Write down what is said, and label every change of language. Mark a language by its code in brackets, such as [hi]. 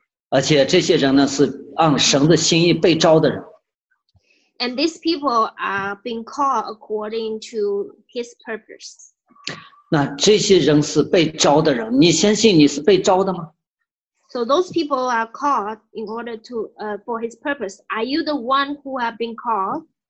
[zh] 而且这些人呢是按神的心意被招的人。 [en] And these people are being called according to His purpose. [zh] 那这些人是被招的人，你相信你是被招的吗？ [en] So those people are called in order to for His purpose. Are you the one who have been called?